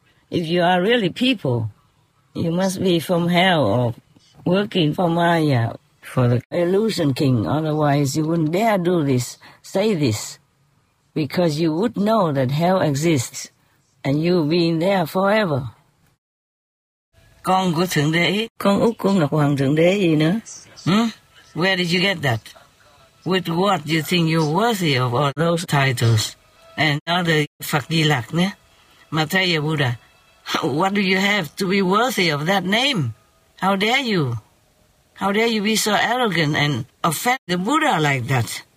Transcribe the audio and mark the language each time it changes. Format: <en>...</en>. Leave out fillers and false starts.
<en>If you are really people, you must be from hell or working for Maya, for the illusion king. Otherwise, you wouldn't dare do this, say this, because you would know that hell exists and you being there forever.</en> <vi>Con của Thượng Đế, con út của Ngọc Hoàng Thượng Đế gì nữa?</vi> <en>Hmm? Where did you get that? With what you think you're worthy of all those titles and other Phật Di Lặc, Maitreya Buddha? What do you have to be worthy of that name? How dare you? How dare you be so arrogant and offend the Buddha like that?</en>